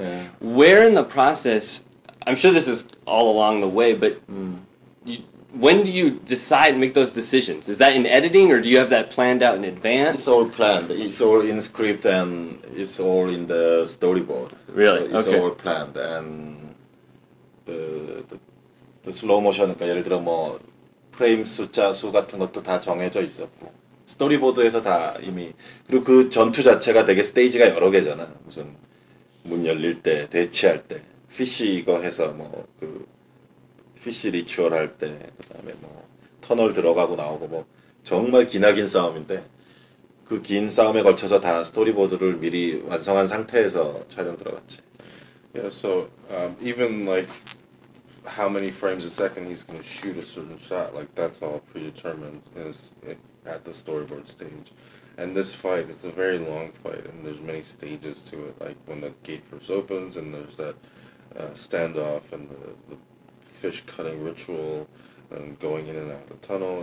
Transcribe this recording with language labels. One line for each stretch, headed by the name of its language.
English: Yeah. Where in the process, I'm sure this is all along the way, but when do you decide, make those decisions? Is that in editing or do you have that planned out in advance? It's all planned. It's all in script and it's all in the storyboard. Really? So it's all planned. And the
Korean: 슬로우 모션, 그러니까 예를 들어 뭐 프레임 숫자 수 같은 것도 다 정해져 있었고 스토리보드에서 다 이미, 그리고 그 전투 자체가 되게 스테이지가 여러 개잖아. 무슨 문 열릴 때, 대치할 때, 피쉬 이거 해서 뭐 그 피쉬 리추얼 할 때, 그 다음에 뭐 터널 들어가고 나오고 뭐 정말 기나긴 싸움인데 그 긴 싸움에 걸쳐서 다 스토리보드를 미리 완성한 상태에서 촬영 들어갔지.
English: Yeah, so even like how many frames a second he's going to shoot a certain shot, like that's all predetermined is at the storyboard stage. And this fight, it's a very long fight and there's many stages to it, like when the gate first opens and there's that standoff and the fish cutting ritual and going in and out of the tunnel.